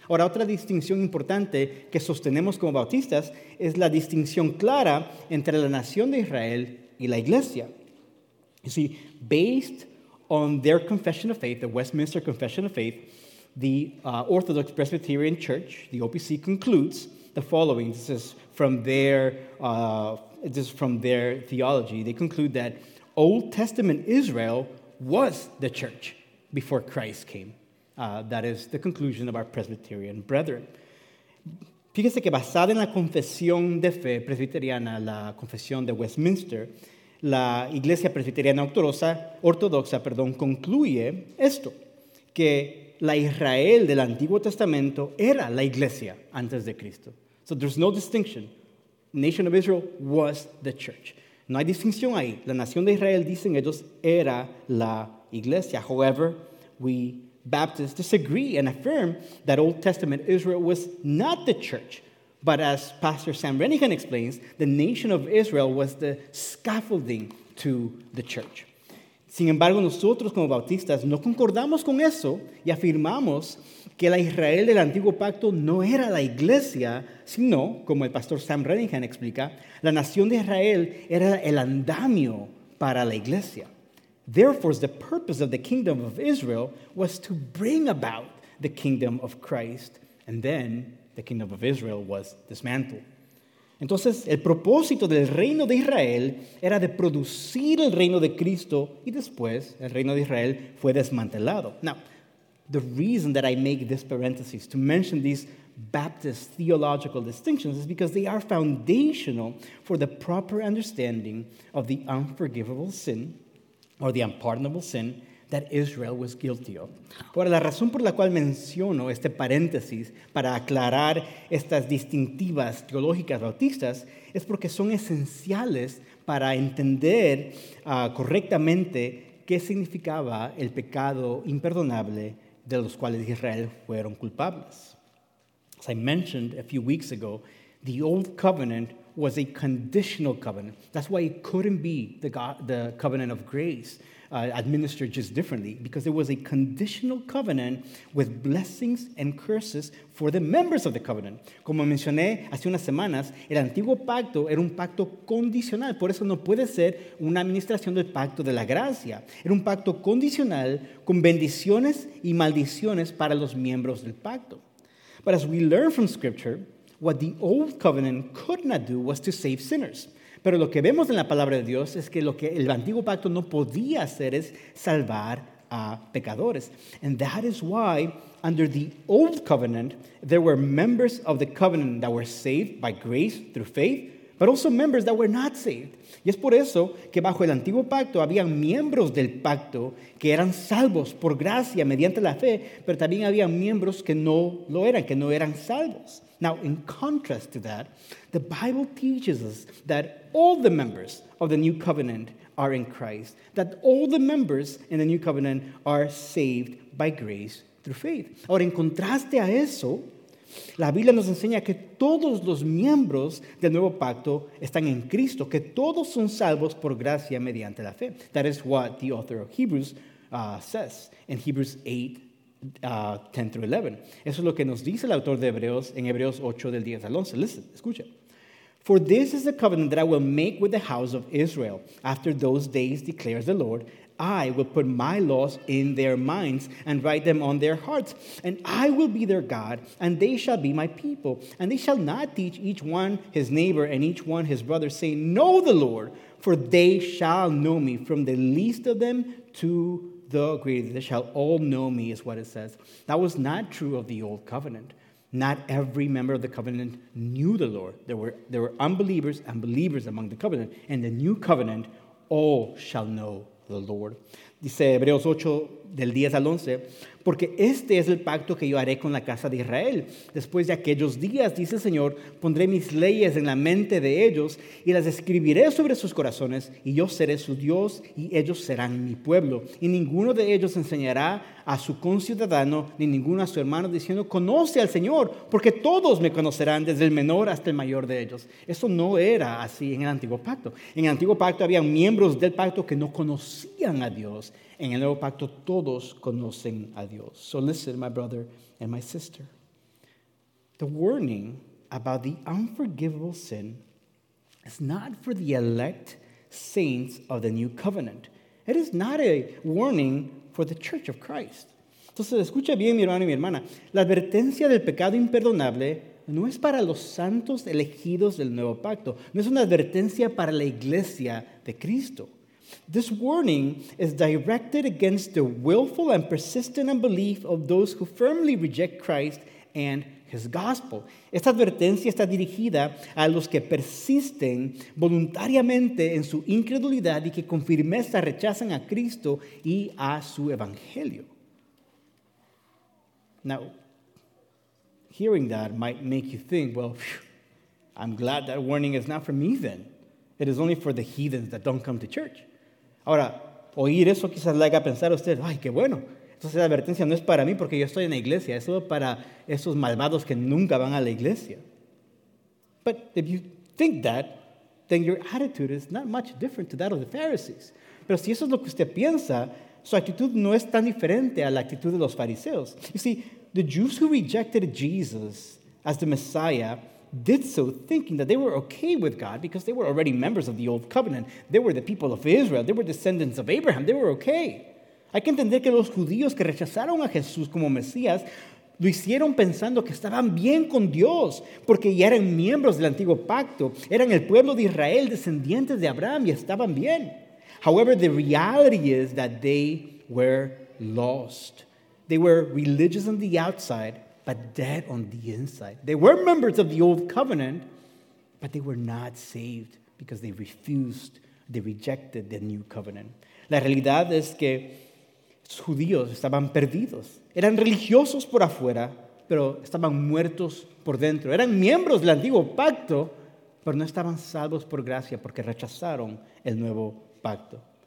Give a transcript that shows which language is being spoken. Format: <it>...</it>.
<es>Ahora, otra distinción importante que sostenemos como bautistas es la distinción clara entre la nación de Israel y la iglesia.</es> <en>You see, based on their confession of faith, the Westminster Confession of Faith, the Orthodox Presbyterian Church, the OPC, concludes the following. This is from their theology. They conclude that Old Testament Israel was the church before Christ came. That is the conclusion of our Presbyterian brethren.</en> <es>Fíjese que basada en la confesión de fe presbiteriana, la confesión de Westminster, la Iglesia Presbiteriana Ortodoxa, concluye esto, que la Israel del Antiguo Testamento era la Iglesia antes de Cristo.</es> <en>So there's no distinction. Nation of Israel was the church.</en> <es>No hay distinción ahí. La nación de Israel, dicen ellos, era la Iglesia.</es> <en>However, we Baptists disagree and affirm that Old Testament Israel was not the church. But as Pastor Sam Renihan explains, the nation of Israel was the scaffolding to the church.</en> <es>Sin embargo, nosotros como bautistas no concordamos con eso y afirmamos que la Israel del Antiguo Pacto no era la iglesia, sino, como el Pastor Sam Renihan explica, la nación de Israel era el andamio para la iglesia.</es> <en>Therefore, the purpose of the kingdom of Israel was to bring about the kingdom of Christ, and then the kingdom of Israel was dismantled.</en> <es>Entonces, el propósito del reino de Israel era de producir el reino de Cristo, y después el reino de Israel fue desmantelado.</es> <en>Now, the reason that I make this parenthesis to mention these Baptist theological distinctions is because they are foundational for the proper understanding of the unforgivable sin, or the unpardonable sin, that Israel was guilty of.</en> <es>Ahora, la razón por la cual menciono este paréntesis para aclarar estas distintivas teológicas bautistas es porque son esenciales para entender correctamente qué significaba el pecado imperdonable de los cuales Israel fueron culpables.</es> <en>As I mentioned a few weeks ago, the Old Covenant was a conditional covenant. That's why it couldn't be the covenant of grace, administered just differently, because it was a conditional covenant with blessings and curses for the members of the covenant.</en> <es>Como mencioné hace unas semanas, el antiguo pacto era un pacto condicional. Por eso no puede ser una administración del pacto de la gracia. Era un pacto condicional con bendiciones y maldiciones para los miembros del pacto.</es> <en>But as we learn from Scripture, what the Old Covenant could not do was to save sinners.</en> <es>Pero lo que vemos en la palabra de Dios es que lo que el antiguo pacto no podía hacer es salvar a pecadores.</es> <en>And that is why, under the Old Covenant, there were members of the covenant that were saved by grace through faith, but also members that were not saved.</en> <es>Y es por eso que bajo el antiguo pacto había miembros del pacto que eran salvos por gracia mediante la fe, pero también había miembros que no lo eran, que no eran salvos.</es> <en>Now, in contrast to that, the Bible teaches us that all the members of the new covenant are in Christ, that all the members in the new covenant are saved by grace through faith.</en> <es>Ahora, en contraste a eso, la Biblia nos enseña que todos los miembros del nuevo pacto están en Cristo, que todos son salvos por gracia mediante la fe.</es> <en>That is what the author of Hebrews says in Hebrews 8, 10 through 11.</en> <es>Eso es lo que nos dice el autor de Hebreos en Hebreos 8, del 10 al 11.</es> <en>Listen,</en> <es>escucha.</es> <en>For this is the covenant that I will make with the house of Israel. After those days, declares the Lord, I will put my laws in their minds and write them on their hearts. And I will be their God, and they shall be my people. And they shall not teach each one his neighbor and each one his brother, saying, know the Lord, for they shall know me from the least of them to the greatest. They shall all know me, is what it says. That was not true of the old covenant. Not every member of the covenant knew the Lord. There were unbelievers and believers among the covenant. In the new covenant, all shall know the Lord.</en> <es>Dice Hebreos 8, del 10 al 11, porque este es el pacto que yo haré con la casa de Israel. Después de aquellos días, dice el Señor, pondré mis leyes en la mente de ellos y las escribiré sobre sus corazones y yo seré su Dios y ellos serán mi pueblo. Y ninguno de ellos enseñará a su conciudadano ni ninguno a su hermano diciendo, conoce al Señor, porque todos me conocerán desde el menor hasta el mayor de ellos. Eso no era así en el antiguo pacto. En el antiguo pacto había miembros del pacto que no conocían a Dios. En el nuevo pacto, todos conocen a Dios.</es> <en>So listen, my brother and my sister. The warning about the unforgivable sin is not for the elect saints of the new covenant. It is not a warning for the church of Christ.</en> <es>Entonces, escucha bien, mi hermano y mi hermana. La advertencia del pecado imperdonable no es para los santos elegidos del nuevo pacto. No es una advertencia para la iglesia de Cristo.</es> <en>This warning is directed against the willful and persistent unbelief of those who firmly reject Christ and his gospel.</en> <es>Esta advertencia está dirigida a los que persisten voluntariamente en su incredulidad y que con firmeza rechazan a Cristo y a su evangelio.</es> <en>Now, hearing that might make you think, well, I'm glad that warning is not for me then. It is only for the heathens that don't come to church.</en> <es>Ahora, oír eso quizás le haga pensar a usted, ¡ay, qué bueno! Entonces la advertencia no es para mí porque yo estoy en la iglesia. Es solo para esos malvados que nunca van a la iglesia.</es> <en>But if you think that, then your attitude is not much different to that of the Pharisees.</en> <es>Pero si eso es lo que usted piensa, su actitud no es tan diferente a la actitud de los fariseos.</es> <en>You see, the Jews who rejected Jesus as the Messiah did so thinking that they were okay with God because they were already members of the old covenant. They were the people of Israel. They were descendants of Abraham. They were okay.</en> <es>Hay que entender que los judíos que rechazaron a Jesús como Mesías lo hicieron pensando que estaban bien con Dios porque ya eran miembros del antiguo pacto. Eran el pueblo de Israel, descendientes de Abraham, y estaban bien.</es> <en>However, the reality is that they were lost. They were religious on the outside, but dead on the inside. They were members of the old covenant, but they were not saved because they refused, they rejected the new covenant.</en> <es>La realidad es que los judíos estaban perdidos. Eran religiosos por afuera, pero estaban muertos por dentro. Eran miembros del antiguo pacto, pero no estaban salvos por gracia porque rechazaron el nuevo pacto.</es>